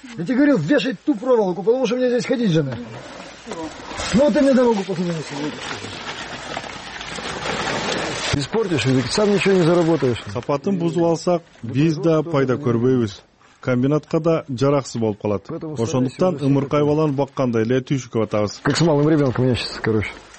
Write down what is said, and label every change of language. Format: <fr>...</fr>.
<ru>Я тебе говорил, вешай ту проволоку, потому что мне здесь ходить же надо. Ну ты мне дорогу посмотришь. Испортишь, ведь сам ничего не заработаешь.</ru> <ky>Сапатын бузуп алсак, биз да пайда көрбөйбүз. Комбинатка да жараксыз болуп калат. Ошондуктан ымыркай баланы баккандай эле түйшүкөп атабыз.</ky> <ru>Как с малым ребенком, я сейчас, короче.</ru>